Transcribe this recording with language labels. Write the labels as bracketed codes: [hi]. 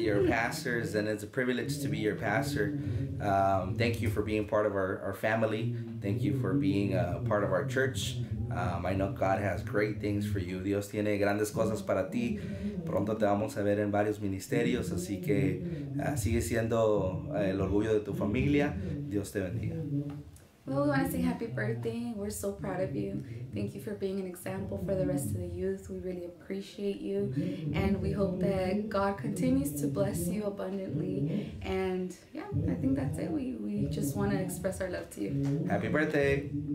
[en] Your pastors, and it's a privilege to be your pastor. Thank you for being part of our family. Thank you for being a part of our church. I know God has great things for you. [es] Dios tiene grandes cosas para ti. Pronto te vamos a ver en varios ministerios, así que sigue siendo el orgullo de tu familia. Dios te bendiga. [en] Well, we want to say happy birthday. We're so proud of you. Thank you for being an example for the rest of the youth. We really appreciate you. And we hope that God continues to bless you abundantly. And yeah, I think that's it. We just want to express our love to you. Happy birthday.